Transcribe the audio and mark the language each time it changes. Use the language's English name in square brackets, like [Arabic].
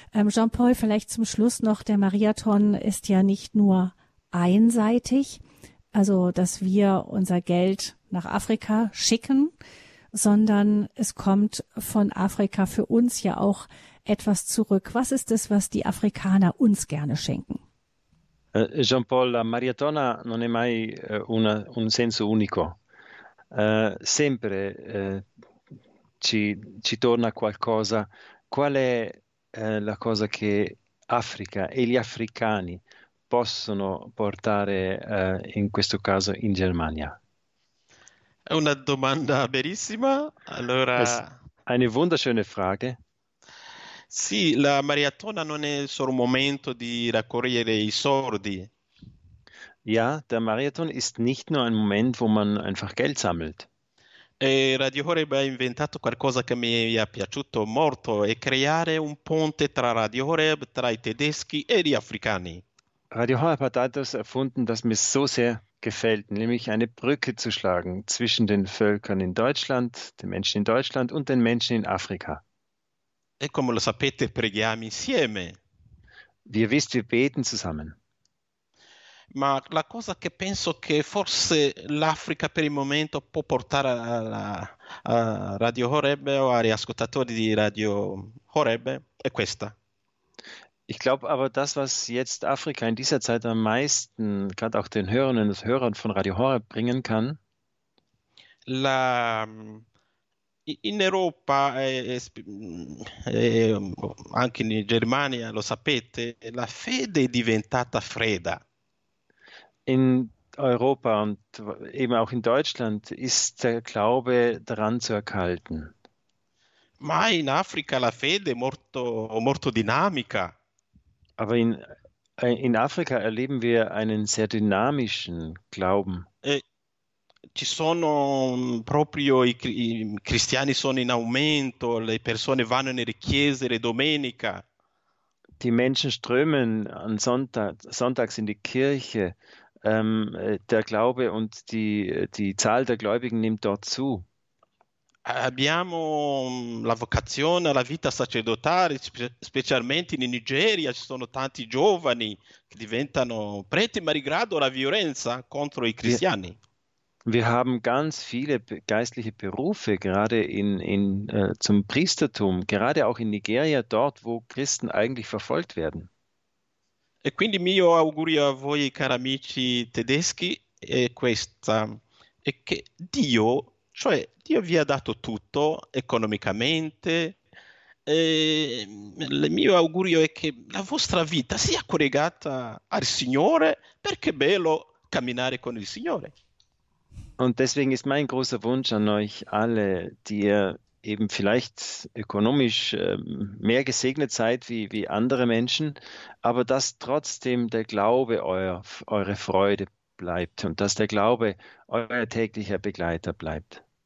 [German] Jean-Paul, vielleicht zum Schluss noch, der Mariathon ist ja nicht nur einseitig, also dass wir unser Geld nach Afrika schicken, sondern es kommt von Afrika für uns ja auch etwas zurück. Was ist es, was die Afrikaner uns gerne schenken? [Italian] Jean-Paul, la Mariatona non è mai un senso unico. Sempre ci torna qualcosa. Qual è la cosa che Africa e gli africani possono portare in questo caso in Germania? È una domanda bellissima. Allora, [German] eine wunderschöne Frage. [Italian] Sì, la Mariatona non è solo un momento di raccogliere i soldi. [German] Ja, der Marathon ist nicht nur ein Moment, wo man einfach Geld sammelt. [Italian] E Radio Horeb ha inventato qualcosa che mi è piaciuto molto, è creare un ponte tra Radio Horeb, tra i tedeschi e gli africani. [German] Radio Horeb hat etwas erfunden, das mir so sehr gefällt, nämlich eine Brücke zu schlagen zwischen den Völkern in Deutschland, den Menschen in Deutschland und den Menschen in Afrika. [Italian] E come lo sapete, preghiamo insieme. [German] Wie wisst, wir beten zusammen. [Italian] Ma la cosa che penso che forse l'Africa per il momento può portare a Radio Horeb o agli ascoltatori di Radio Horeb è questa. [German] Ich glaube aber, das, was jetzt Afrika in dieser Zeit am meisten, gerade auch den Hörerinnen und Hörern von Radio Horeb, bringen kann. [Italian] In Europa, anche in Germania, lo sapete, la fede è diventata fredda. [German] In Europa und eben auch in Deutschland ist der Glaube daran zu erkalten. [Italian] Ma in Africa la fede è molto dinamica. [German] Aber in Afrika erleben wir einen sehr dynamischen Glauben. [Italian] Ci sono proprio i cristiani sono in aumento, le persone vanno nelle chiese le domenica. [German] Die Menschen strömen an sonntags in die Kirche. Der Glaube und die Zahl der Gläubigen nimmt dort zu. [Italian] Abbiamo la vocazione alla vita sacerdotale, specialmente in Nigeria ci sono tanti giovani che diventano preti malgrado la violenza contro i cristiani. [German] Wir haben ganz viele geistliche Berufe, gerade zum Priestertum, gerade auch in Nigeria, dort, wo Christen eigentlich verfolgt werden. [Italian] E quindi mio augurio a voi, cari amici tedeschi, è questa, è che Dio, cioè Dio vi ha dato tutto economicamente, e il mio augurio è che la vostra vita sia collegata al Signore, perché è bello camminare con il Signore. [German] Und deswegen ist mein großer Wunsch an euch alle, die ihr eben vielleicht ökonomisch mehr gesegnet seid wie andere Menschen, aber dass trotzdem der Glaube eure Freude bleibt und dass der Glaube euer täglicher Begleiter bleibt.